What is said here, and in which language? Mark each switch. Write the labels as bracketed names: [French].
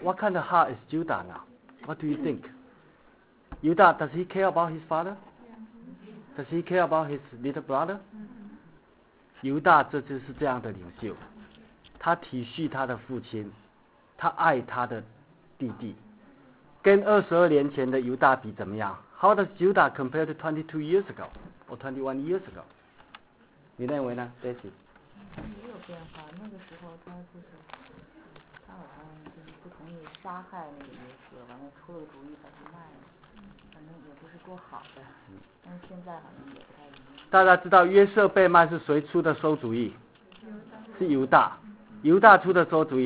[English] What kind of heart is Judah now? What do you think? Judah, does he care about his father? Does he care about his little brother? [Chinese] 犹大这就是这样的领袖，他体恤他的父亲，他爱他的弟弟。跟二十二年前的犹大比怎么样？ [English] How does Judah compare to 22 years ago or 21 years ago? [Chinese] 你认为呢 ，Daisy？没有变化，那个时候他好像就是不同意杀害那个约瑟，完了出了主意把他卖了，反正也不是多好的。但是现在好像也不太一样。大家知道约瑟被卖是谁出的馊主意？是犹大，犹大出的馊主意。